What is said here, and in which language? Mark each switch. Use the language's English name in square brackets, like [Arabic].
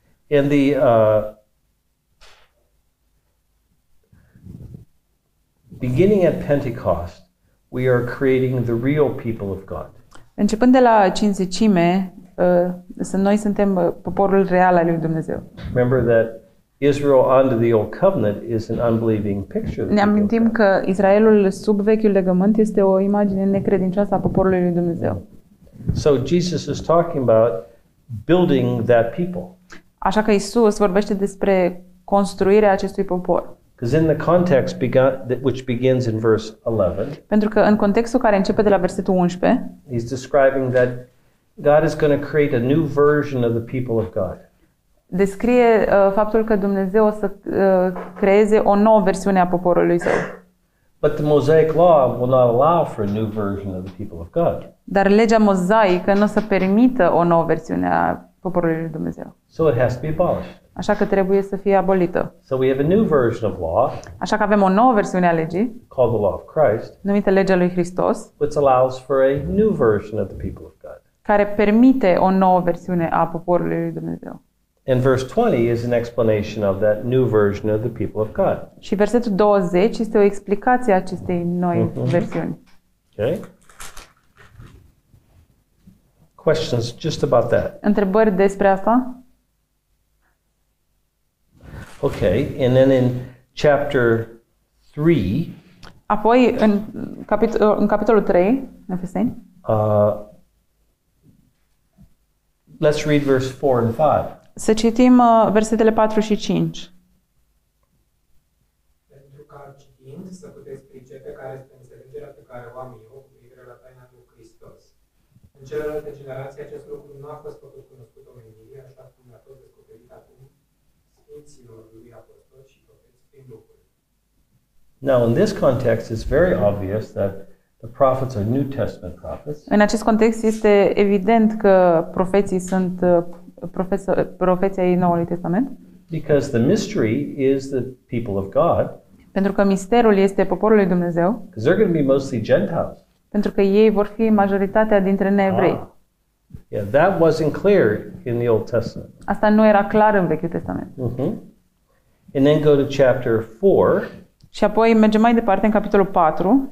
[English] And the beginning at Pentecost, we are creating the real people of God. [Romanian] Începând de la cincizecime, noi suntem poporul real al lui Dumnezeu. [English] Remember that Israel under the old covenant is an unbelieving picture. [Romanian] Ne amintim că Israelul sub vechiul legământ este o imagine necredincioasă a poporului lui Dumnezeu. [English] So Jesus is talking about building that people. [Romanian] Așa că Isus vorbește despre construirea acestui popor. [English] Because in the context which begins in verse 11. [Romanian] Pentru că în contextul care începe de la versetul 11. [English] He's describing that God is going to create a new version of the people of God. [Romanian] Descrie faptul că Dumnezeu o să creeze o nouă versiune a poporului său. [English] But the Mosaic law will not allow for a new version of the people of God. [Romanian] Dar legea mozaică nu o să permită o nouă versiune a poporului lui Dumnezeu. [English] So it has to be abolished. [Romanian] Așa că trebuie să fie abolită. [English] So we have a new version of law. [Romanian] Așa că avem o nouă versiune a legii. [English] Called the law of Christ. [Romanian] Numită legea lui Hristos. [English] Which allows for a new version of the people of God. [Romanian] Care permite o nouă versiune a poporului lui Dumnezeu. [English] And verse 20 is an explanation of that new version of the people of God. [Romanian] Și versetul 20 este o explicație a acestei noi versiuni. [English] Okay. Questions just about that. [Romanian] Întrebări despre asta? [English] Okay, and then in chapter 3. [Romanian] Apoi în capitolul 3, Efeseni. [English] Let's read verse 4 and 5. [Romanian] Să citim versetele 4 și 5. Pentru ca citind să puteți pricepe care este înțelegerea pe care o am eu cu privire la taina lui Hristos. În celelalte generații acest lucru nu a fost făcut cunoscut omenirii, așa cum a fost descoperit acum sfinților lui apostoli și profeți prin lucruri. [English] Now, in this context, it's very obvious that the prophets are New Testament prophets. [Romanian] În acest context este evident că profeții sunt profeții Noului Testament. [English] Because the mystery is the people of God. [Romanian] Pentru că misterul este poporul lui Dumnezeu. [English] Because they're going to be mostly Gentiles. [Romanian] Pentru că ei vor fi majoritatea dintre neevrei. [English] Ah. Yeah, that wasn't clear in the Old Testament. [Romanian] Asta nu era clar în Vechiul Testament. [English] Mm-hmm. And then go to chapter 4. [Romanian] Și apoi mergem mai departe în capitolul 4.